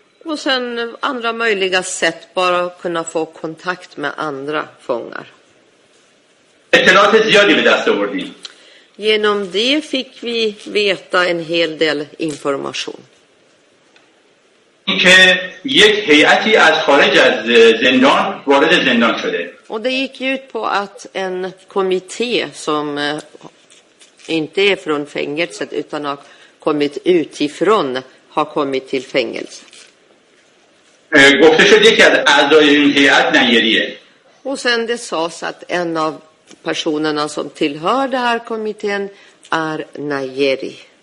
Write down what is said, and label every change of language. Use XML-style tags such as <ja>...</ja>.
<sv>Och sen andra möjliga sätt bara kunna få kontakt med andra fångar.</sv> <fa>اطلاعات زیادی به دست آوردیم.</fa> <sv>Genom det fick vi veta en hel del information.</sv> <fa>اینکه یک هیئتی از خارج از زندان وارد زندان شده.</fa> <sv>Och det gick ut på att en kommitté som inte är från fängelset utan har kommit utifrån har kommit till fängelset.</sv> <fa>گفته شد یکی از اعضای این هیئت نیجریه.</fa> <sv>Och sen det sades att en av personerna som tillhör den här kommittén är Nayeri.</sv>